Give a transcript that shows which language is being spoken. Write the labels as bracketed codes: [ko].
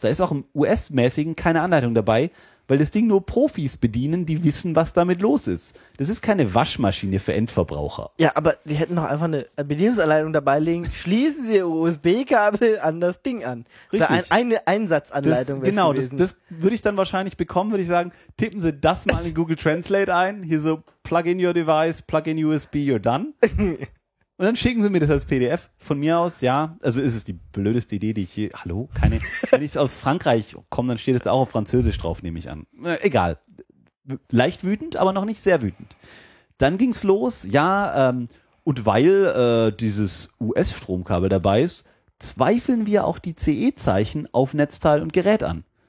[de] Da ist auch im US-mäßigen keine Anleitung dabei, weil das Ding nur Profis bedienen, die wissen, was damit los ist. Das ist keine Waschmaschine für Endverbraucher. Ja, aber sie hätten doch einfach eine Bedienungsanleitung dabei legen. Schließen Sie Ihr USB-Kabel an das Ding an. Richtig. Also eine Einsatzanleitung wäre genau, gewesen. Genau, das würde ich dann wahrscheinlich bekommen, würde ich sagen, tippen Sie das mal in Google Translate ein. Hier so, [en] plug in your device, plug in USB, you're done. [de] Und dann schicken sie mir das als PDF. Von mir aus, ja, also ist es die blödeste Idee, die ich je... Hallo? Keine... Wenn ich aus Frankreich komme, dann steht es auch auf Französisch drauf, nehme ich an. Egal. Leicht wütend, aber noch nicht sehr wütend. Dann ging's los. Ja, und weil dieses US-Stromkabel dabei ist, zweifeln wir auch die CE-Zeichen auf Netzteil und Gerät an.